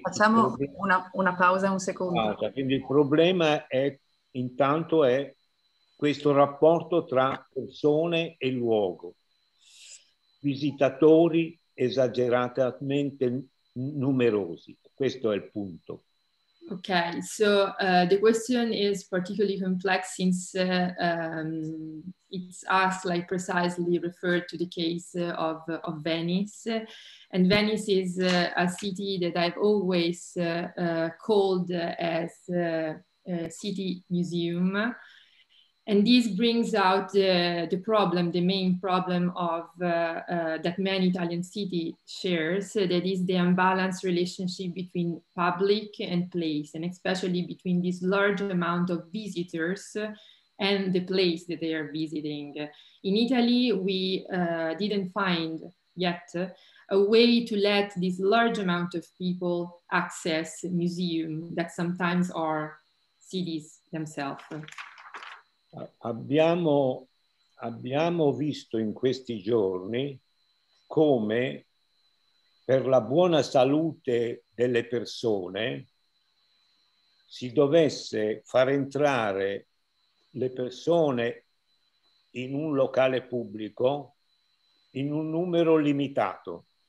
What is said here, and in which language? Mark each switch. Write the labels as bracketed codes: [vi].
[it] facciamo una pausa un secondo. Quindi il problema è intanto è questo rapporto tra persone e luogo, visitatori esageratamente numerosi. Questo è il punto. [en] Okay, so the question is particularly complex since it's asked like precisely referred to the case of Venice, and Venice is a city that I've always called as a city museum. And this brings out the problem, the main problem of that many Italian cities shares, that is the unbalanced relationship between public and place, and especially between this large amount of visitors and the place that they are visiting. In Italy, we didn't find yet a way to let this large amount of people access museums that sometimes are cities themselves. [it] Abbiamo visto in questi giorni come per la buona salute delle persone si dovesse far entrare le persone in un locale pubblico in un numero limitato.